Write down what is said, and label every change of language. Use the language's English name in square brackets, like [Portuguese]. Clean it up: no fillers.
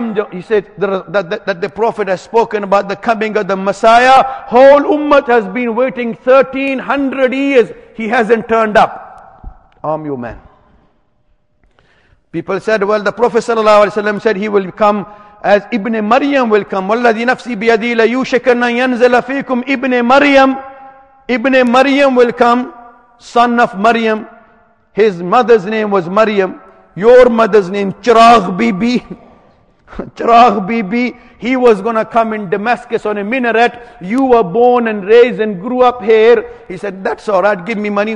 [English] He said that the Prophet has spoken about the coming of the Messiah. Whole Ummah has been waiting 1300 years. He hasn't turned up. Arm your men. People said, well, the Prophet sallallahu alaihi wasallam said he will come as Ibn Maryam will come. [Arabic] وَالَّذِي نَفْسِي بِيَدِي لَيُوشَكَنَا يَنْزَلَ فِيكُمْ Ibn Maryam. [English] Ibn Maryam will come, son of Maryam. His mother's name was Maryam. Your mother's name, Chiragh Bibi. Chiragh Bibi. He was going to come in Damascus on a minaret. You were born and raised and grew up here. He said, that's all right. Give me money.